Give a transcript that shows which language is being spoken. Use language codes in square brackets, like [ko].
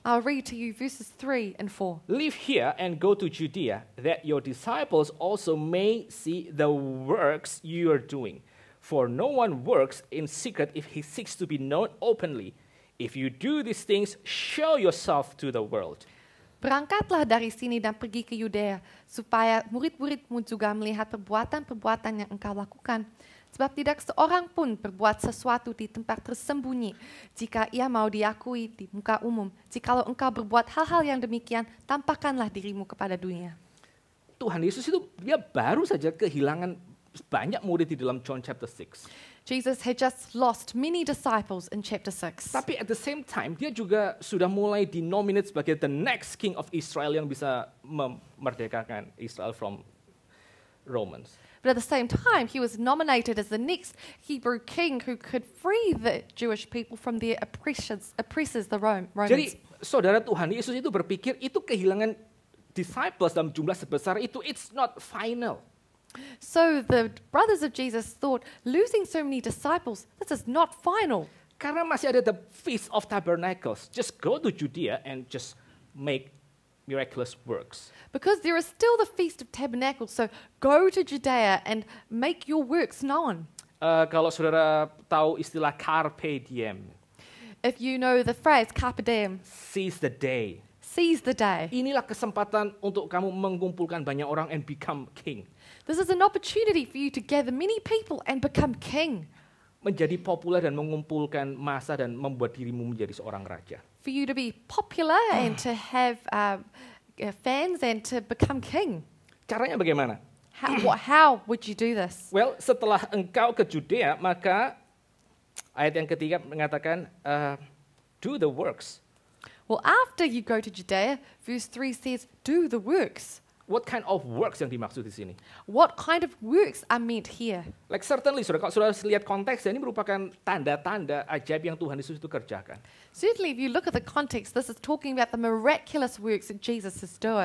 [en] I'll read to you verses 3 and 4. Live here and go to Judea, that your disciples also may see the works you are doing. For no one works in secret if he seeks to be known openly. If you do these things, show yourself to the world. [id] Berangkatlah dari sini dan pergi ke Yudea, supaya murid-muridmu juga melihat perbuatan-perbuatan yang engkau lakukan. sebab tidak seorang pun berbuat sesuatu di tempat tersembunyi jika ia mau diakui di muka umum. Jikalau engkau berbuat hal-hal yang demikian, tampakkanlah dirimu kepada dunia. Tuhan Yesus itu dia baru saja kehilangan banyak murid di dalam John chapter 6. [en] Jesus had just lost many disciples in chapter 6. [id] Tapi [en] at the same time, [id] dia juga sudah mulai dinominate sebagai [en] the next king of Israel [id] yang bisa memerdekakan Israel [en] from Romans. But at the same time, he was nominated as the next Hebrew king who could free the Jewish people from their oppressors, the Romans. [id] Jadi, saudara Tuhan Yesus itu berpikir itu kehilangan disciples dalam jumlah sebesar itu, [en] it's not final. So the brothers of Jesus thought losing so many disciples, this is not final. [id] Karena masih ada [en] the Feast of Tabernacles, just go to Judea and just make miraculous works. Because there is still the Feast of Tabernacles, so go to Judea and make your works known. [id] Kalau saudara tahu istilah carpe diem. [en] If you know the phrase carpe diem. Seize the day. Seize the day. [id] Inilah kesempatan untuk kamu mengumpulkan banyak orang [en] and become king. This is an opportunity for you to gather many people and become king. [id] Menjadi populer dan mengumpulkan massa dan membuat dirimu menjadi seorang raja. [en] For you to be popular and to have fans and to become king. [id] Caranya bagaimana? [en] How would you do this? Well, [id] setelah engkau ke Judea, maka ayat yang ketiga mengatakan, [en] do the works. Well, after you go to Judea, verse 3 says, do the works. What kind of works [id] yang dimaksud di sini? [en] What kind of works are meant here? Like certainly, [id] sudah lihat konteks, ini merupakan tanda-tanda ajaib yang Tuhan Yesus itu kerjakan. [en] Certainly, if you look at the context, this is talking about the miraculous works that Jesus is doing.